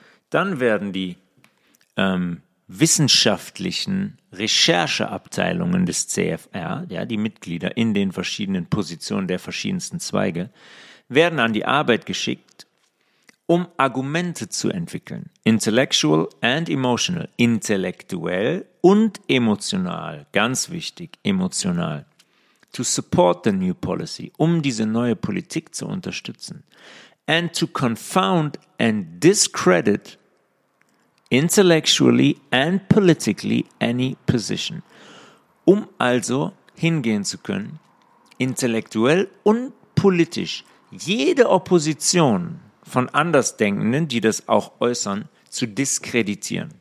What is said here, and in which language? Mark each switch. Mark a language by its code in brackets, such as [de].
[de] Dann werden die wissenschaftlichen Rechercheabteilungen des CFR, ja, die Mitglieder in den verschiedenen Positionen der verschiedensten Zweige, werden an die Arbeit geschickt, um Argumente zu entwickeln. [en] Intellectual and emotional. [de] Intellektuell und emotional. Ganz wichtig, emotional. [en] To support the new policy, [de] um diese neue Politik zu unterstützen. [en] And to confound and discredit intellectually and politically any position. [de] Um also hingehen zu können, intellektuell und politisch jede Opposition von Andersdenkenden, die das auch äußern, zu diskreditieren.